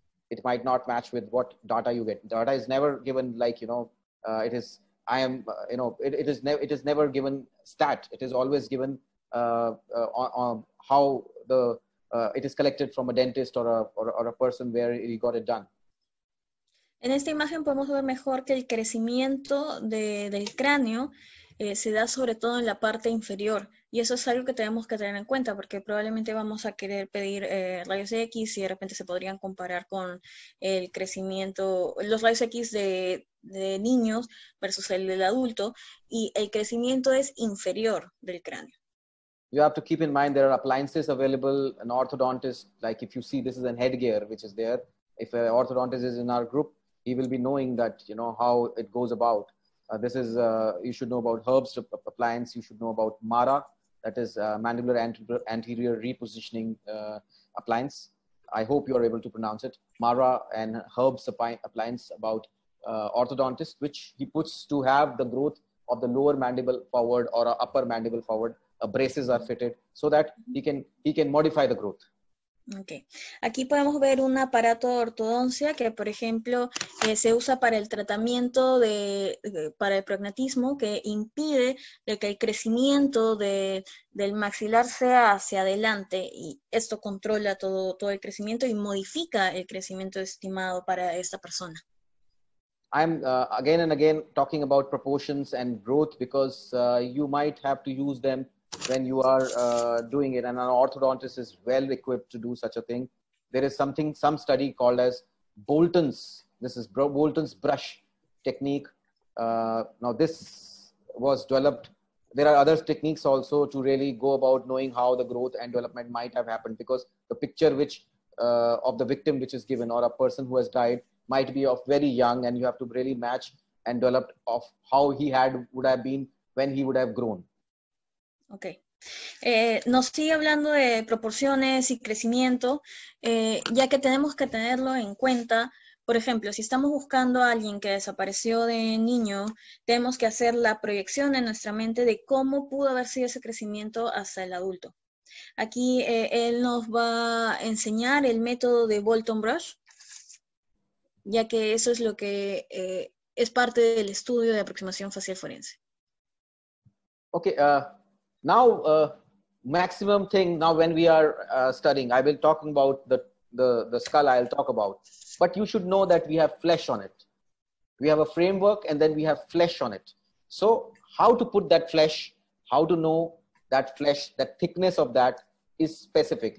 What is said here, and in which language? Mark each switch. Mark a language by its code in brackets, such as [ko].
[en] It might not match with what data you get. Data is never given like, you know, it is never given stat. It is always given on how the it is collected from a dentist or a person where he got it done. [es] En esta imagen podemos ver mejor que el crecimiento del cráneo se da sobre todo en la parte inferior, y eso es algo que tenemos que tener en cuenta, porque probablemente vamos a querer pedir rayos X y de repente se podrían comparar con el crecimiento, los rayos X de niños versus el del adulto, y el crecimiento es inferior del cráneo. [en] You have to keep in mind there are appliances available. An orthodontist, like if you see, this is an headgear which is there. If an orthodontist is in our group, he will be knowing that, you know, how it goes about. This is, you should know about ℂ𝕠𝕲𝕗𝕘𝕘 appliance. You should know about MARA, that is mandibular anterior repositioning appliance. I hope you are able to pronounce it. MARA and ℂ𝕠𝕲𝕗𝕘𝕘 appliance about orthodontist, which he puts to have the growth of the lower mandible forward or upper mandible forward. Braces are fitted so that he can modify the growth. Okay. [es] Aquí podemos ver un aparato de ortodoncia que, por ejemplo, se usa para el tratamiento para el prognatismo, que impide de que el crecimiento del maxilar sea hacia adelante, y esto controla todo el crecimiento y modifica el crecimiento estimado para esta persona. [en] I'm again and again talking about proportions and growth because you might have to use them when you are doing it, and an orthodontist is well equipped to do such a thing. There is something, some study called as Bolton's. This is Bolton's brush technique. Now this was developed. There are other techniques also to really go about knowing how the growth and development might have happened, because the picture which of the victim which is given or a person who has died might be of very young, and you have to really match and develop of how he had would have been when he would have grown. Ok. [es] Nos sigue hablando de proporciones y crecimiento, ya que tenemos que tenerlo en cuenta. Por ejemplo, si estamos buscando a alguien que desapareció de niño, tenemos que hacer la proyección en nuestra mente de cómo pudo haber sido ese crecimiento hasta el adulto. Aquí él nos va a enseñar el método de Bolton Brush, ya que eso es lo que es parte del estudio de aproximación facial forense. Ok. [en] Now, maximum thing, now when we are studying, I will talk about the skull I'll talk about. But you should know that we have flesh on it. We have a framework and then we have flesh on it. So how to put that flesh, how to know that flesh, that thickness of that is specific.